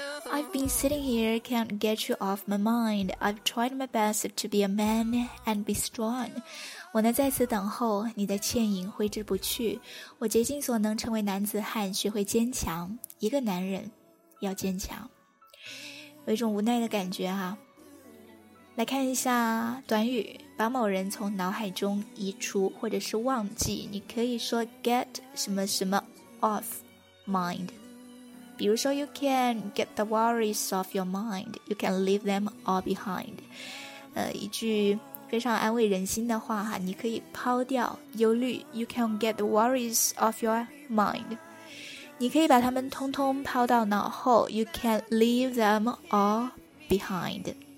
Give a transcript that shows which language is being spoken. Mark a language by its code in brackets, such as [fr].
[en] I've been sitting here, can't get you off my mind. I've tried my best to be a man and be strong. [zh] 我呢在此等候，你的倩影挥之不去，我竭尽所能成为男子汉，学会坚强，一个男人要坚强。有一种无奈的感觉哈。来看一下短语，把某人从脑海中移除或者是忘记，你可以说 get 什么什么 off mind。 [en] 比如说 you can get the worries off your mind, you can leave them all behind。 [zh] 一句非常安慰人心的话哈，你可以抛掉忧虑， [en] you can get the worries off your mind, [zh] 你可以把他们通通抛到脑后， [en] You can leave them all behind。